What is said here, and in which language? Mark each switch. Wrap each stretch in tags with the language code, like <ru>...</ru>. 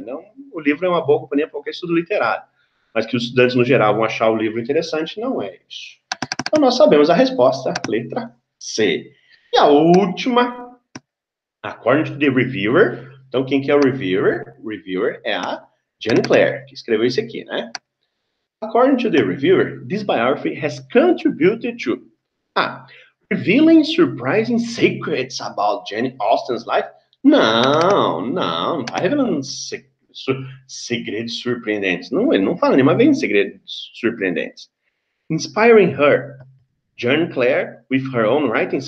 <pt>Não, o livro é uma boa companhia para qualquer estudo literário. Mas que os estudantes, no geral, vão achar o livro interessante, não é isso. Então, nós sabemos a resposta, letra C. E a última,</pt> <en>according to the reviewer.</en> <pt>Então, quem que é o reviewer? Reviewer é a Jen Clare, que escreveu isso aqui, né?</pt> <en>According to the reviewer, this biography has contributed to revealing surprising secrets about Jane Austen's life?</en> <pt>Não tá revelando segredos surpreendentes. Não, ele não fala nenhuma vez em segredos surpreendentes.</pt> <en>Inspiring her, Jane Clare, with her own writings.</en>